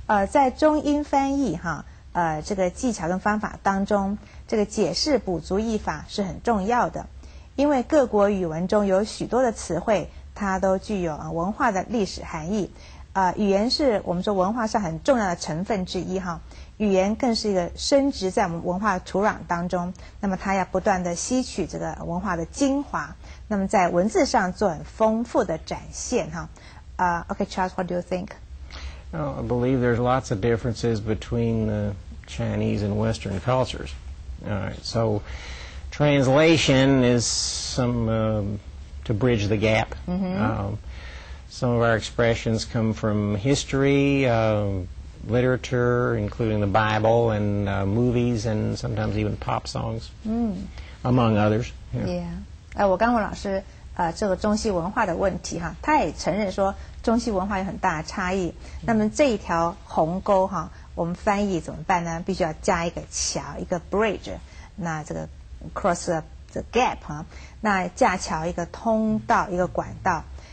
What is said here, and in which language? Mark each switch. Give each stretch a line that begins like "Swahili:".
Chinese: 在中英翻译哈，这个技巧跟方法当中，这个解释补足译法是很重要的，因为各国语文中有许多的词汇，它都具有文化的历史含义。语言是我们说文化上很重要的成分之一哈，语言更是一个生殖在我们文化土壤当中，那么它要不断的吸取这个文化的精华，那么在文字上做很丰富的展现哈。
English: Okay, Charles, what do you think? Well, I believe there's lots of differences between the Chinese and Western cultures. All right, so translation is to bridge the gap. Mm-hmm. Some of our expressions come from history, literature, including the Bible, and movies, and sometimes even pop songs, among others. Yeah.
Chinese: 我刚问老师，这个中西文化的问题哈，他也承认说中西文化有很大的差异。那么这一条鸿沟哈，我们翻译怎么办呢？必须要加一个桥，一个 bridge， 那这个 cross the gap 哈，那架桥一个通道，一个管道。